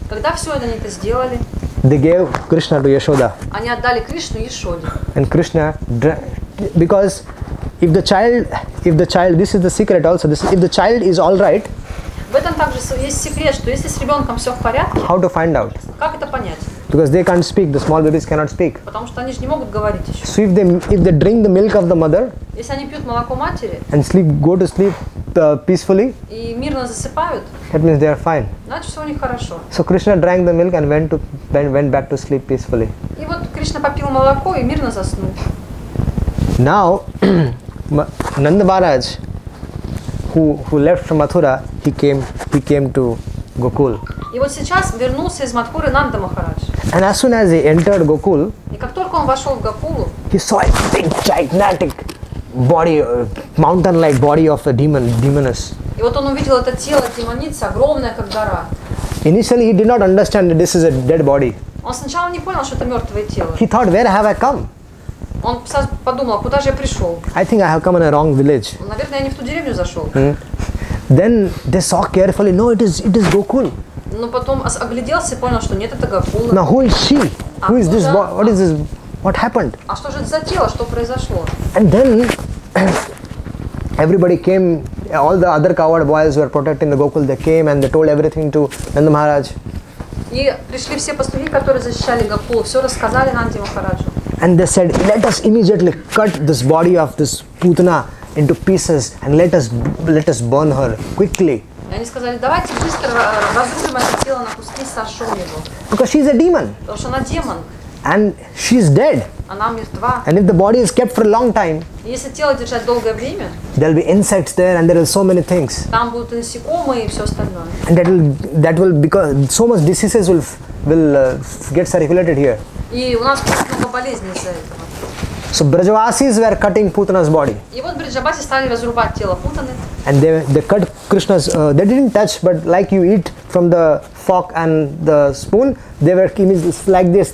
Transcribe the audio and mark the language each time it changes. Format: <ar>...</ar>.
<ru>когда все они это сделали,</ru> <en>they gave Krishna to Yashoda.</en> <ru>Они отдали Кришну Яшоде.</ru> <en>And Krishna, because if the child, this is the secret also. This, if the child is all right.</en> <ru>В этом также есть секрет, что если с ребенком все в порядке,</ru> <en>how to find out?</en> <ru>Как это понять?</ru> <en>Because they can't speak, the small babies cannot speak.</en> <ru>Потому что они же не могут говорить еще.</ru> <en>So if they drink the milk of the mother,</en> <ru>если они пьют молоко матери,</ru> <en>and sleep, go to sleep peacefully,</en> <ru>и мирно засыпают,</ru> <en>that means they are fine.</en> <ru>Значит, у них хорошо.</ru> <en>So Krishna drank the milk and went back to sleep peacefully.</en> <ru>И вот Кришна попил молоко и мирно заснул.</ru> <en>Now, Nanda Maharaj, who left from Mathura, he came to Gokul.</en> <ru>И вот сейчас вернулся из Матхуры Нанда Махарадж.</ru> <en>And as soon as he entered Gokul,</en> <ru>и как только он вошел в Гокулу,</ru> <en>he saw a big gigantic body, mountain-like body of a demoness.</en> <ru>И вот он увидел это тело демоницы, огромное как гора.</ru> <en>Initially he did not understand that this is a dead body.</en> <ru>Он сначала не понял, что это мертвое тело.</ru> <en>He thought, where have I come?</en> <ru>Он подумал, куда же я пришел?</ru> <en>I think I have come in a wrong village.</en> <ru>Наверное, я не в ту деревню зашел.</ru> <en>Then they saw carefully. No, it is Gokul.</en> <ru>Но потом огляделся и понял, что нет, это Гокула.</ru> <en>Now who is she? Who is this? What is this? What happened?</en> <ru>А что же это за тело? Что произошло?</ru> <en>And then everybody came. All the other coward boys were protecting the Gokul. They came and they told everything to Nanda Maharaj.</en> <ru>И пришли все пастухи, которые защищали Гокул. Все рассказали Нанде Махараджу.</ru> <en>And they said, let us immediately cut this body of this Putana into pieces and let us burn her quickly.</en> <ru>Они сказали, давайте быстро разрубим это тело на куски и сожжем его.</ru> <en>Because she is a demon.</en> <ru>Потому что она демон.</ru> <en>And she is dead.</en> <ru>Она мертва.</ru> <en>And if the body is kept for a long time,</en> <ru>если тело держать долгое время,</ru> <en>there will be insects there and there are so many things.</en> <ru>Там будут насекомые и все остальное.</ru> <en>And that will because so much diseases will get circulated here.</en> <ru>И у нас много болезней из-за этого.</ru> <en>So Brajavasis were cutting Putana's body.</en> <ru>И вот Брджабаси стали разрубать тело Путаны.</ru> <en>And they cut Krishna's. They didn't touch, but like you eat from the fork and the spoon, they were like this.</en>